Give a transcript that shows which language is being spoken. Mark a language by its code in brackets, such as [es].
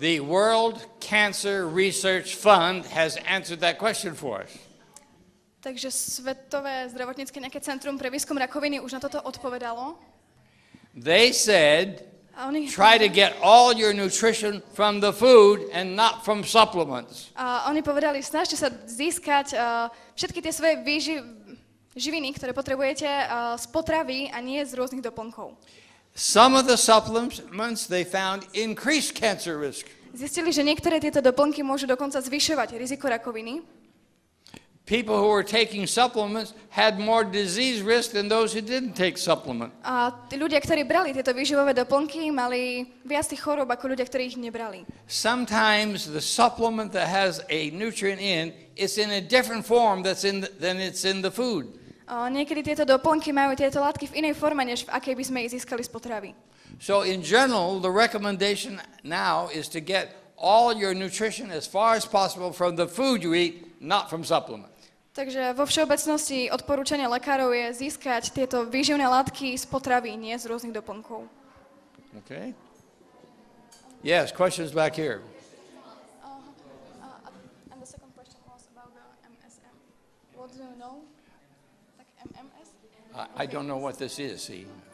[en] The World Cancer Research Fund has answered that question for us. [sk] Takže Svetové zdravotnícke nejaké centrum pre výskum rakoviny už na toto odpovedalo. [en] They said, try to get all your nutrition from the food and not from supplements. [sk] Oni povedali, snažte sa získať všetky tie svoje živiny, ktoré potrebujete, z potravy a nie z rôznych doplnkov. [en] Some of the supplements they found increased cancer risk. [sk] Zistili, že niektoré tieto doplnky môžu dokonca zvyšovať riziko rakoviny. [en] People who were taking supplements had more disease risk than those who didn't take supplements. [sk] A ľudia, ktorí brali tieto výživové doplnky, mali viac tých chorób ako ľudia, ktorí ich nebrali. [en] Sometimes the supplement that has a nutrient in is in a different form than it's in the food. [sk] A niekedy tieto doplnky majú tieto látky v inej forme, než v akej by sme ich získali z potravy. [en] So in general, the recommendation now is to get all your nutrition as far as possible from the food you eat, not from supplements. [sk] Takže vo všeobecnosti odporúčanie lekárov je získať tieto výživné látky z potravy, nie z rôznych doplnkov. [en] Okay. Yes, questions back here. And the second question was about the MSM. What do you know? Like MMS? I don't know what this is, see.